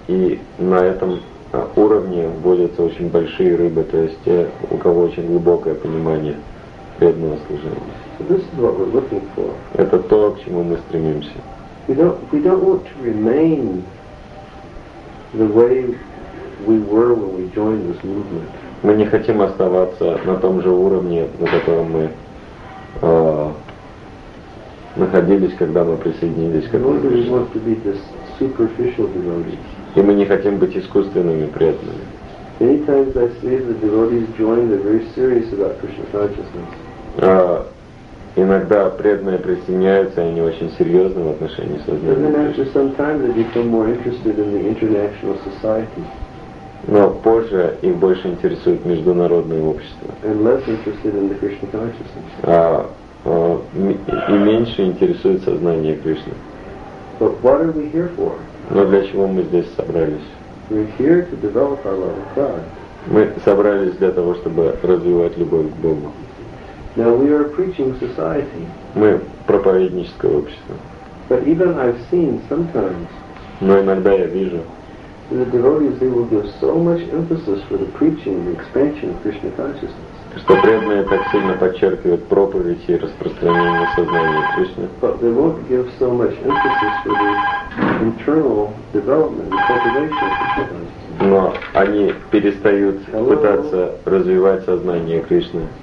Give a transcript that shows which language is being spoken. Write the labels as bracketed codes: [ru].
[ru] И на этом уровне водятся очень большие рыбы, то есть те, у кого очень глубокое понимание преданного служения. [en] So this is what we're looking for. [ru] Это то, к чему мы стремимся. [en] We don't want to remain the way we were when we joined this movement. [ru] Мы не хотим оставаться на том же уровне, на котором мы находились, когда мы присоединились к этому. И мы не хотим быть искусственными преданными. [en] Many times I see the devotees join, they're very serious about Krishna consciousness. [ru] Иногда преданные присоединяются, и они очень серьезны в отношении сознания. Но позже их больше интересует международное общество. [en] And less interested in the Krishna consciousness. [ru] И меньше интересует сознание Кришны. [en] But what are we here for? [ru] Но для чего мы здесь собрались? [en] We're here to develop our love of God. [ru] Мы собрались для того, чтобы развивать любовь к Богу. [en] Now we are preaching society. [ru] Мы проповедническое общество. [en] But even I've seen sometimes. [ru] Но иногда я вижу. [en] The devotees, they will give so much emphasis for the preaching and the expansion of Krishna consciousness. [ru] Что преданные так сильно подчеркивают проповедь и распространение сознания Кришны. [en] But they won't give so much emphasis for the internal development and cultivation of consciousness. [ru] Но они перестают пытаться развивать сознание Кришны.